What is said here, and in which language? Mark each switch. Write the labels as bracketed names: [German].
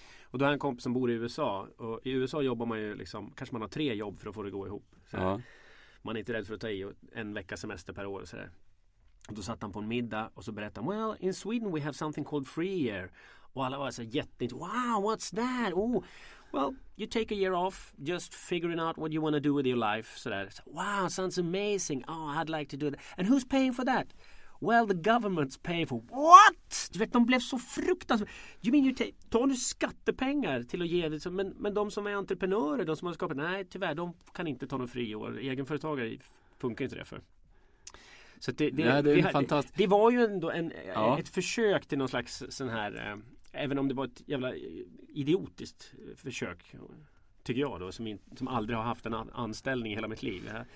[Swedish] Och då har en kompis som bor i USA. Och i USA jobbar man ju liksom, kanske man har tre jobb för att få det gå ihop. Ja. Man är inte rädd för att ta i en vecka semester per år och sådär. Och då satt han på en middag och så berättade han, well, in Sweden we have something called free year. Och alla var så jätteint, wow, what's that? [English] Oh, well, you take a year off, just figuring out what you want to do with your life. Sådär. So, wow, sounds amazing. Oh, I'd like to do that. And who's paying for that? Well, the government's paying for what? [Swedish] Du vet, de blev så fruktansvärt. You mean you tar nu skattepengar till att ge det? Men de som är entreprenörer, de som har skapat, nej, tyvärr, de kan inte ta någon friår. Egenföretagare funkar inte det för. Så det var ju ändå ett försök till någon slags sån här, även om det var ett jävla idiotiskt försök, tycker jag då, som aldrig har haft en anställning i hela mitt liv.